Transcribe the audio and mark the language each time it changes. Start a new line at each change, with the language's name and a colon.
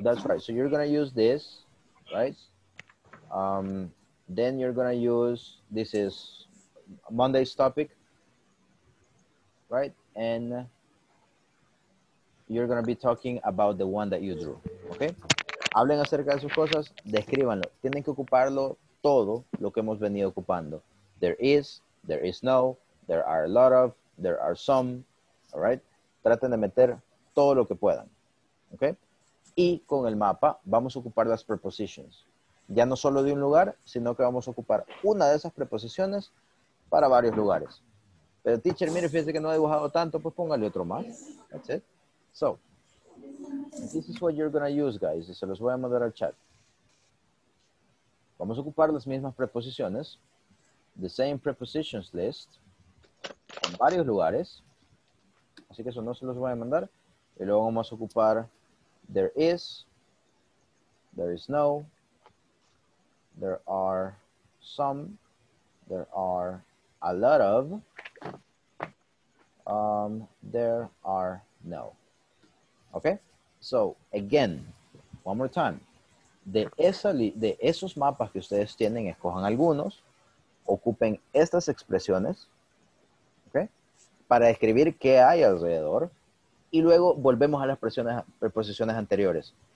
English: That's right. So you're going to use this, right? Then you're going to use, this is Monday's topic, right? And you're going to be talking about the one that you drew, okay?
Spanish: Hablen acerca de sus cosas, descríbanlo. Tienen que ocuparlo todo lo que hemos venido ocupando.
English: There is no, there are a lot of, there are some, all right?
Spanish: Traten de meter todo lo que puedan, okay? Y con el mapa vamos a ocupar las prepositions. Ya no solo de un lugar, sino que vamos a ocupar una de esas preposiciones para varios lugares. Pero teacher, mire, fíjese que no ha dibujado tanto, pues póngale otro más.
English: That's it. So, this is what you're going to use, guys.
Spanish: Se los voy a mandar al chat. Vamos a ocupar las mismas preposiciones, the same prepositions list, en varios lugares. Así que eso no se los voy a mandar.
English: Y luego vamos a ocupar there is no, there are some, there are a lot of, there are no. Okay, so again, one more time.
Spanish: De esos mapas que ustedes tienen, escojan algunos, ocupen estas expresiones, okay, para describir qué hay alrededor, y luego volvemos a las preposiciones anteriores.